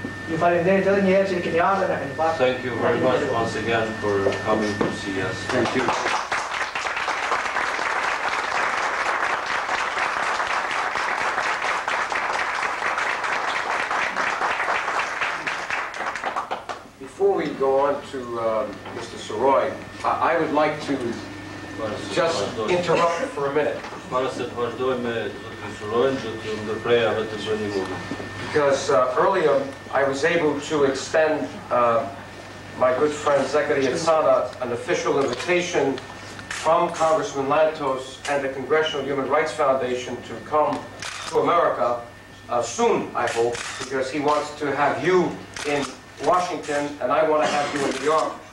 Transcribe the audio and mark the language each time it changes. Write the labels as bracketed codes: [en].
[sq] Ju falenderit edhe një herë që ne keni ardhur, na keni pasur. [en] Thank you very much once again for coming to see us. Thank you. Before we go on to Mr. Saroy, I would like to just interrupt for a minute. [sq] Para se të vazhdojmë me zotin Saroy, do të ndërpreja vetëm për një moment. [en] Because earlier I was able to extend my good friend Zekeri Atsana an official invitation from Congressman Lantos and the Congressional Human Rights Foundation to come to America soon, I hope, because he wants to have you in Washington and I want to have you in New York.